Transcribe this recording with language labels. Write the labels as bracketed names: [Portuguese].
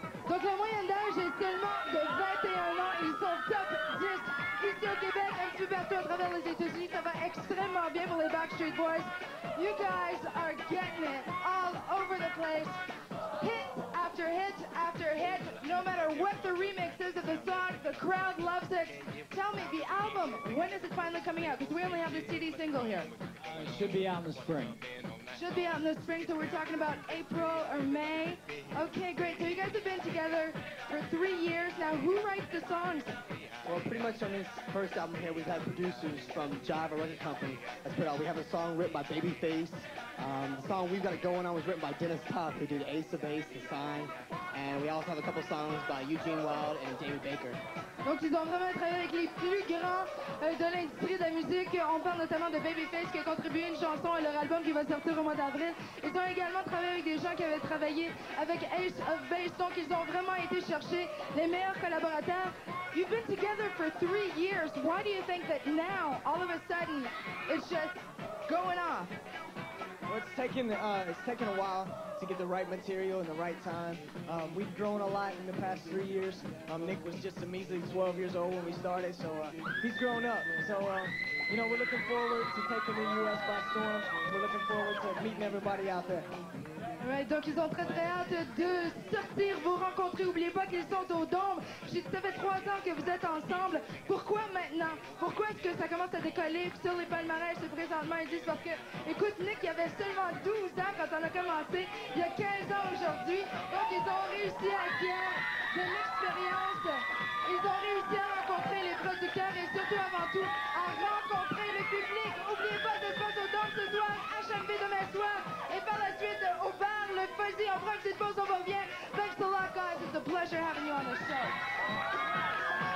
[French] Donc la moyenne d'âge est seulement de 21 ans. Ils sont top 10 ici au Québec, un petit peu partout à travers les États-Unis. Ça va extrêmement bien pour les Backstreet Boys. [English] You guys are getting it all over the place. Hit after hit after hit. No matter what the remix is of the song, the crowd loves it. Tell me, the album, when is it finally coming out? Because we only have the CD single here. It should be out in the spring. Should be out in the spring, so we're talking about April or May. Okay, great. So you guys have been together for 3 years. Now, who writes the songs? Well, pretty much on this first album here, we've had producers from Jive, a record company, that's put out. We have a song written by Babyface. The song We've Got It Going On was written by Dennis Tuff, who did Ace of Base, The Sign. And we also have a couple songs by Eugene Wilde and David Baker. [French] Donc, ils ont vraiment travaillé avec les plus grands de l'industrie de la musique. On parle notamment de Babyface, qui a contribué une chanson à leur album qui va sortir au mois d'avril. Ils ont également travaillé avec des gens qui avaient travaillé avec Ace of Base. Donc, ils ont vraiment été chercher les meilleurs collaborateurs. [English] You've been together for 3 years. Why do you think that now, all of a sudden, it's just going off? Well, it's taken a while to get the right material and the right time. We've grown a lot in the past 3 years. Nick was just a measly 12 years old when we started, so he's grown up. So, you know, we're looking forward to taking the U.S. by storm. We're looking forward to meeting everybody out there. [French] Right, donc ils ont très très hâte de sortir, vous rencontrer. Oubliez pas qu'ils sont au Dôme. Ça fait 3 ans que vous êtes ensemble. Pourquoi maintenant? Pourquoi est-ce que ça commence à décoller sur les palmarès présentement? Ils disent parce que, écoute, Nick, il avait seulement 12 ans quand on a commencé. Il y a 15 ans aujourd'hui. Donc ils ont réussi à acquérir de l'expérience. Ils ont réussi à rencontrer les producteurs et surtout avant tout à rencontrer le public. Oubliez pas de passer au Dôme ce soir, HMV demain soir et par la suite au bar. [English] Thanks a lot, guys. It's a pleasure having you on the show.